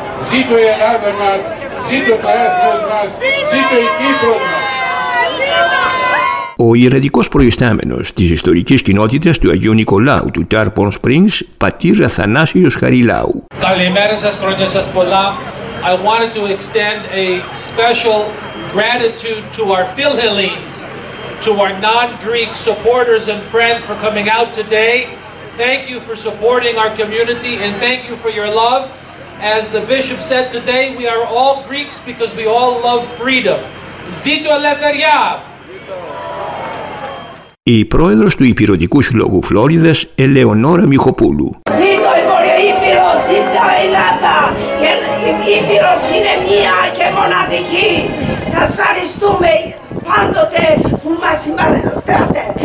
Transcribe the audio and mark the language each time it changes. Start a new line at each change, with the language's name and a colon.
Greek: Ζήτω η Ελλάδα μας, ζήτω τα έθνος μας, ζήτω η Κύπρος μας. Ο ιερατικός προϊστάμενος της ιστορικής κοινότητας του Αγίου Νικολάου του Τάρπον Σπρινγκς, πατήρ Αθανάσιος Χαριλάου. Καλημέρα σας, χρόνια σας πολλά.
English: I wanted to extend a special gratitude to our Philhellenes, to our non-Greek supporters and friends for coming out today. Thank you for supporting our community and thank you for your love. As the bishop said today, we are all Greeks because we all love freedom.
Greek: Zito Eleftheria! Η πρόεδρος του Ηπειρωτικού Συλλόγου Φλόριδας, Ελεονόρα Μιχοπούλου. Ζήτω η Βόρεια Ήπειρος, ζήτω η Ελλάδα. Η Ήπειρος είναι μία και μοναδική. Σας ευχαριστούμε πάντοτε που μας συμπαρεστάτε.